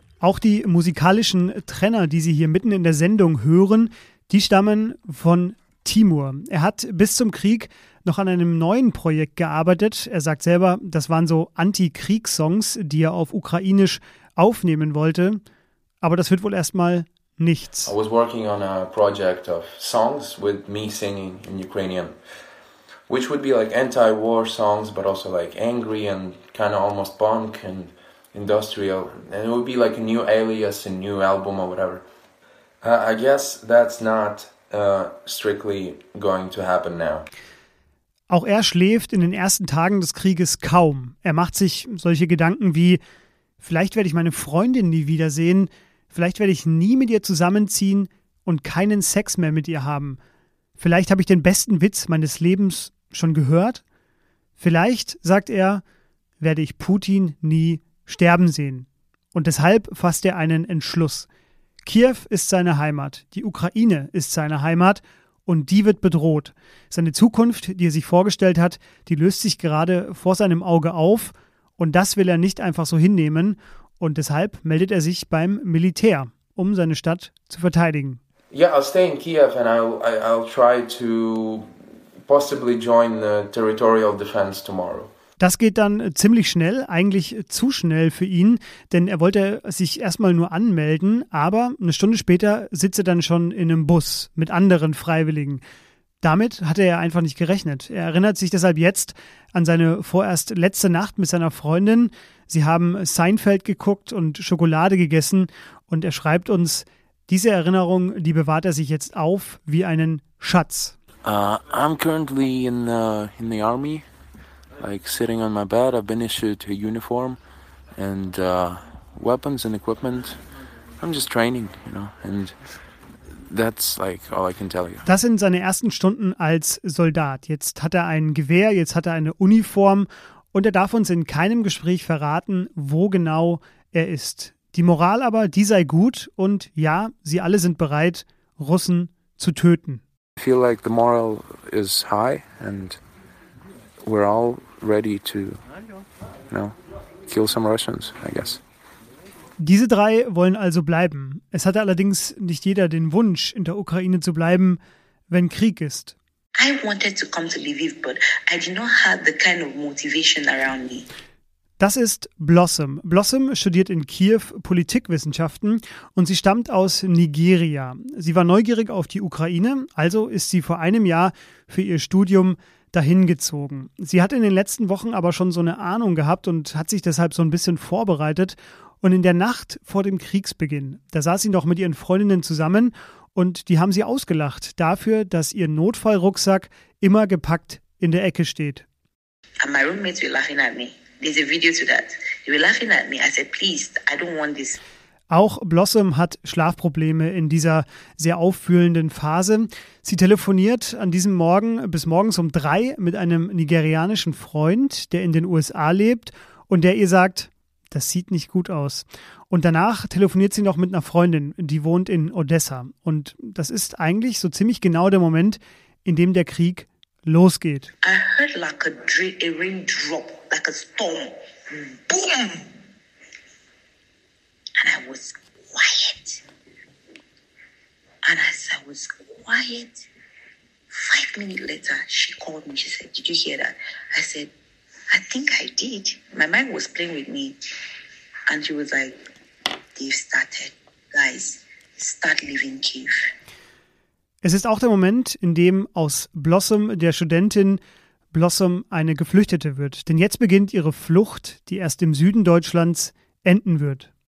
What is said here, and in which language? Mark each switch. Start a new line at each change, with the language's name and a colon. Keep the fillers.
German: Auch die musikalischen Trenner, die Sie hier mitten in der Sendung hören, die stammen von Timur. Er hat bis zum Krieg noch an einem neuen Projekt gearbeitet. Er sagt selber, das waren so Anti-Kriegssongs, die er auf Ukrainisch aufnehmen wollte. Aber das wird wohl erstmal nichts.
English: I was working on a project of songs with me singing in Ukrainian, which would be like anti war songs, but also like angry and kind of almost punk and industrial. And it would be like a new alias, a new album, or whatever. Uh, I guess that's not uh, strictly going to happen now.
German: Auch er schläft in den ersten Tagen des Krieges kaum. Er macht sich solche Gedanken wie, vielleicht werde ich meine Freundin nie wiedersehen, vielleicht werde ich nie mit ihr zusammenziehen und keinen Sex mehr mit ihr haben. Vielleicht habe ich den besten Witz meines Lebens schon gehört. Vielleicht, sagt er, werde ich Putin nie sterben sehen. Und deshalb fasst er einen Entschluss. Kiew ist seine Heimat, die Ukraine ist seine Heimat und die wird bedroht. Seine Zukunft, die er sich vorgestellt hat, die löst sich gerade vor seinem Auge auf und das will er nicht einfach so hinnehmen und deshalb meldet er sich beim Militär, um seine Stadt zu verteidigen.
English: Yeah, I'll stay in Kiev and I'll I- I'll try to possibly join the territorial defense tomorrow.
German: Das geht dann ziemlich schnell, eigentlich zu schnell für ihn, denn er wollte sich erstmal nur anmelden, aber eine Stunde später sitzt er dann schon in einem Bus mit anderen Freiwilligen. Damit hatte er einfach nicht gerechnet. Er erinnert sich deshalb jetzt an seine vorerst letzte Nacht mit seiner Freundin. Sie haben Seinfeld geguckt und Schokolade gegessen und er schreibt uns, diese Erinnerung, die bewahrt er sich jetzt auf wie einen Schatz.
English: Uh, I'm currently in the in the army, like sitting on my bed. I've been issued a uniform and uh, weapons and equipment. I'm just training, you know, and that's like all I can tell you.
German: Das sind seine ersten Stunden als Soldat. Jetzt hat er ein Gewehr, jetzt hat er eine Uniform und er darf uns in keinem Gespräch verraten, wo genau er ist. Die Moral aber, die sei gut und ja, sie alle sind bereit, Russen zu töten.
English: I feel like the moral is high, and we're all ready to, you know, kill some Russians. I guess.
German: Diese drei wollen also bleiben. Es hatte allerdings nicht jeder den Wunsch, in der Ukraine zu bleiben, wenn Krieg ist.
English: I wanted to come to Lviv, but I did not have the kind of motivation around me.
German: Das ist Blossom. Blossom studiert in Kiew Politikwissenschaften und sie stammt aus Nigeria. Sie war neugierig auf die Ukraine, also ist sie vor einem Jahr für ihr Studium dahin gezogen. Sie hat in den letzten Wochen aber schon so eine Ahnung gehabt und hat sich deshalb so ein bisschen vorbereitet. Und in der Nacht vor dem Kriegsbeginn, da saß sie noch mit ihren Freundinnen zusammen und die haben sie ausgelacht dafür, dass ihr Notfallrucksack immer gepackt in der Ecke steht.
English: And my roommates were laughing at me. There's a video to that. They were laughing at me. I said, please, I don't want this.
German: Auch Blossom hat Schlafprobleme in dieser sehr auffühlenden Phase. Sie telefoniert an diesem Morgen bis morgens um drei mit einem nigerianischen Freund, der in den USA lebt und der ihr sagt, das sieht nicht gut aus. Und danach telefoniert sie noch mit einer Freundin, die wohnt in Odessa. Und das ist eigentlich so ziemlich genau der Moment, in dem der Krieg losgeht.
English: I heard like a, dra- a raindrop, like a storm. Boom! And I was quiet. And as I was quiet, five minutes later, she called me. She said, Did you hear that? I said, I think I did. My mind was playing with me. And she was like, They've started. Guys, start leaving Kiev.
German: Es ist auch der Moment, in dem aus Blossom, der Studentin, Blossom eine Geflüchtete wird. Denn jetzt beginnt ihre Flucht, die erst im Süden Deutschlands enden wird.